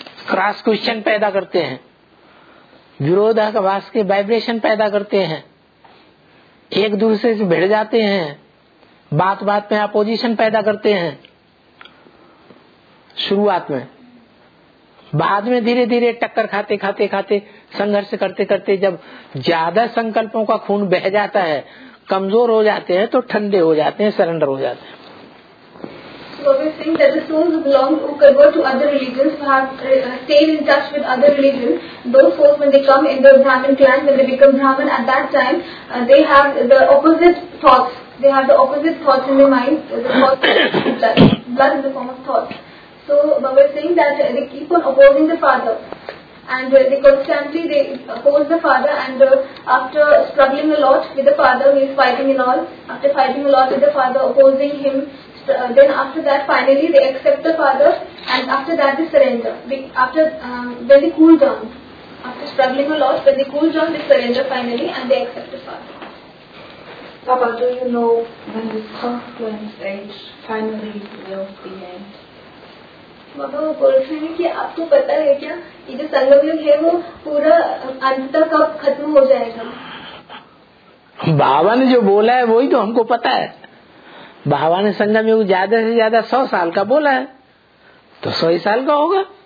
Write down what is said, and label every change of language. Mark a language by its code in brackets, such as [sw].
[hi] Cross question पैदा करते हैं, विरोधाभास के वाइब्रेशन पैदा करते हैं, एक दूसरे से भिड़ जाते हैं, बात बात में अपोजिशन पैदा करते हैं शुरुआत में, बाद में धीरे धीरे टक्कर खाते खाते खाते संघर्ष करते करते जब ज्यादा संकल्पों का खून बह जाता है, कमजोर हो जाते हैं, तो ठंडे हो जाते हैं, सरेंडर हो जाते हैं. [en] So we think that the souls who belong, who convert to other religions, who have stayed in touch with other religions, those souls when they come in the Brahmin clan, when they become Brahmin at that time, they have the opposite thoughts. They have the opposite thoughts in their mind. The thoughts blood in the form of thoughts. So but we're saying that they keep on opposing the father, and they constantly they oppose the father. And after struggling a lot with the father, he is fighting and all. After fighting a lot with the father, opposing him. then after that finally they accept the father, and after that they surrender. Then they cool down. After struggling a lot, when they cool down, they surrender finally and they accept the father. Baba, do you know when this confluence stage finally will be end? [hi] Baba, वो बोल रहे हैं कि आपको पता है क्या कि जो संगम युग है वो पूरा अंत तक अब खत्म हो जाएगा. बाबा ने जो बोला है वही तो हमको पता है. बाबा ने संगम युग ज्यादा से ज्यादा 100 साल का बोला है, तो 100 साल का होगा.